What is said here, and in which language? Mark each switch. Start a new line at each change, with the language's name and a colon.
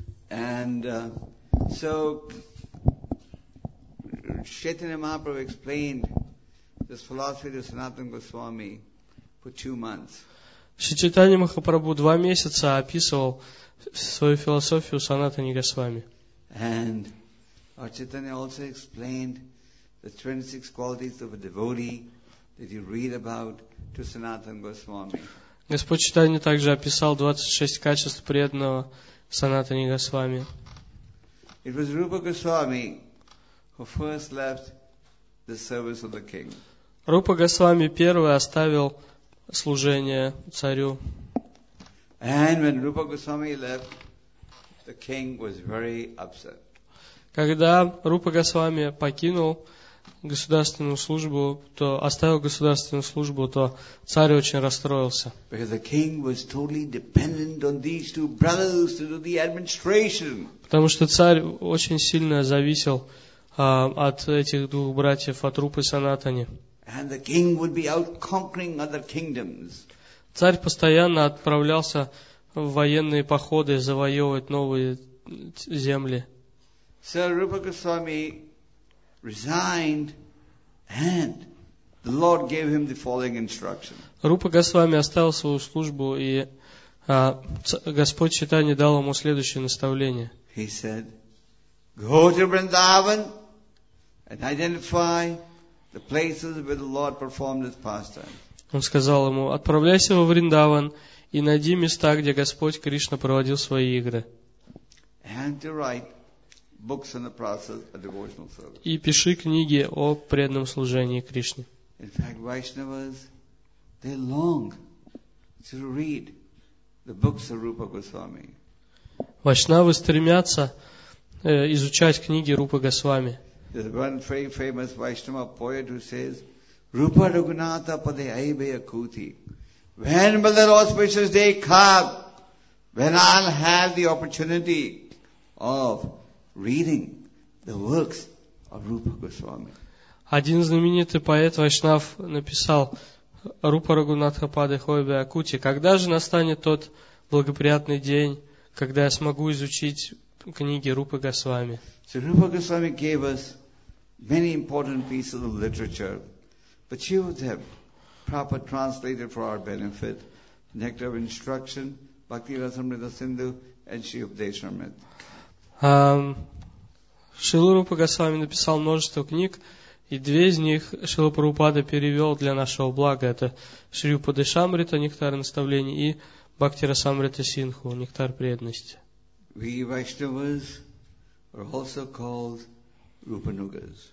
English: And, so, Chaitanya Mahaprabhu explained this philosophy to Sanatana Goswami for 2 months.
Russian: Чайтанья Махапрабху 2 месяца описывал свою философию Санатани Госвами.
English: And Chaitanya also explained the 26 qualities of a devotee that you read about to Sanatana Goswami.
Russian: Господь Чайтанья также описал 26 качеств преданного Санатани Госвами.
English: It was Rupa Goswami who first left the service of the king.
Russian: Рупа Госвами первый оставил служение царю.
English: And when Rupa Goswami left, the king was very upset.
Russian: Когда Рупа Госвами покинул государственную службу, то оставил государственную службу, то царь очень расстроился.
English: Because the king was totally dependent on these two brothers to do the administration.
Russian: Потому что царь очень сильно зависел от этих двух братьев, от Рупы Санатани.
English: And the king would be out conquering other kingdoms.
Russian: Царь постоянно отправлялся в военные походы завоевывать новые земли.
English: So Rupa Goswami resigned, and the Lord gave him the following instruction.
Russian: Рупа Госвами оставил свою службу, и Господь Чайтанья дал ему следующее наставление.
English: He said, "Go to Vrindavan and identify the places where the Lord performed his pastime."
Russian: Он сказал ему: "Отправляйся во Вриндаван и найди места, где Господь Кришна проводил свои игры.
English: And to write books on the process of devotional service."
Russian: И пиши книги о преданном служении Кришне.
English: In fact, Vaishnavas, they long to read the books of Rupa Goswami.
Russian: Вайшнавы стремятся изучать книги Рупы Госвами.
English: There's one very famous Vaishnava poet who says,
Bangla: Rupa Raghunatha Pade Aibaya Kuti.
English: When will that auspicious day come? When I'll have the opportunity of reading the works of Rupa Goswami.
Russian: Один знаменитый поэт Вайшнав написал:
Bangla: Rupa Raghunatha Pade Aibaya Kuti.
Russian: Когда же настанет тот благоприятный день, когда я смогу изучить книги Рупы Госвами?
English: So Rupa Goswami gave us many important pieces of literature. But few of them, proper translated for our benefit, Nectar of Instruction, Bhakti Rasamrita Sindhu, and Sri Upadeshamrita.
Russian: Шрила Рупа Госвами написал множество книг, и две из них Шрила Прабхупада перевел для нашего блага. Это Шри Упадешамрита, Нектар наставлений, и Бхакти Расамрита Синху, Нектар преданности.
English: We Vaishnavas are also called Rupanugas.